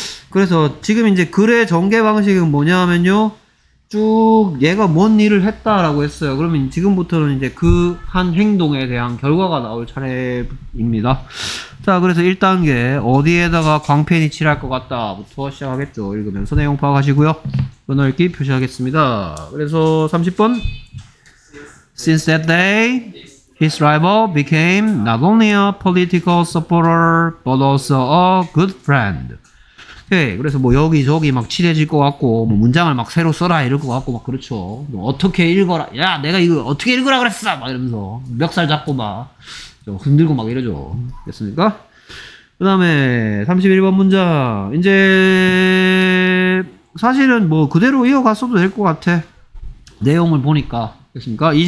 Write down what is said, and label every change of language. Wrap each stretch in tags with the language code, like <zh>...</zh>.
<ko>그래서 지금 이제 글의 전개 방식은 뭐냐면요, 쭉 얘가 뭔 일을 했다라고 했어요. 그러면 지금부터는 이제 그 한 행동에 대한 결과가 나올 차례입니다. 자, 그래서 1단계 어디에다가 광팬이 칠할 것 같다부터 시작하겠죠. 읽으면서 내용 파악하시고요, 번호읽기 표시하겠습니다. 그래서 30번</ko> <en>Since that day his rival became not only a political supporter but also a good friend.</en> <ko>네, 그래서 뭐 여기저기 막 칠해질 것 같고, 뭐 문장을 막 새로 써라 이럴 것 같고 막 그렇죠. 뭐 어떻게 읽어라, 야 내가 이거 어떻게 읽으라 그랬어 막 이러면서 멱살 잡고 막 흔들고 막 이러죠. 됐습니까? 그 다음에 31번 문장, 이제 사실은 뭐 그대로 이어갔어도 될 것 같아, 내용을 보니까. 됐습니까?</ko>